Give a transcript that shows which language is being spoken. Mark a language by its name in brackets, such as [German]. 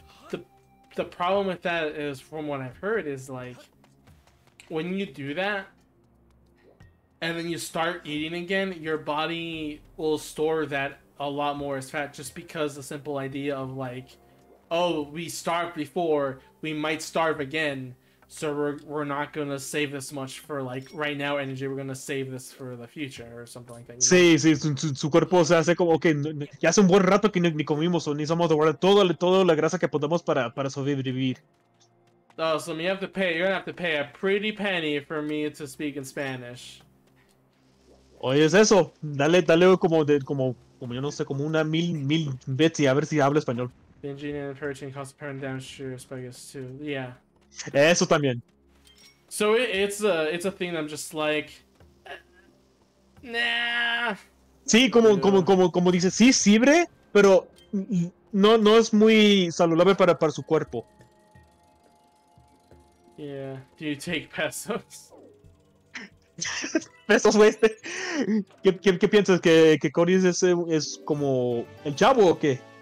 [English] The problem with that is, from what I've heard, is like when you do that and then you start eating again, your body will store that a lot more as fat just because the simple idea of like, oh, we starved before, we might starve again, so we're not going to save this much for like right now energy, we're going to save this for the future or something like that. [Spanish] Su cuerpo se hace como okay, ya hace un buen rato que ni comimos o ni somos de guardar toda la grasa que podemos para sobrevivir. [English] Oh, so you're going to have to pay a pretty penny for me to speak in Spanish. [Spanish] Oye, es eso. Dale como yo no sé, como una mil bits y a ver si habla español. [English] Binging and purging cause apparent damage to your esophagus too. Yeah. [Spanish] Eso también. [English] So it's a thing that I'm just like, nah. [Spanish] Sí, como dice, sí sirve, pero no es muy saludable para su cuerpo. [English] Yeah. Do you take pesos? [Spanish] Pesos, güey. ¿Qué piensas que Cory es como el chavo o qué?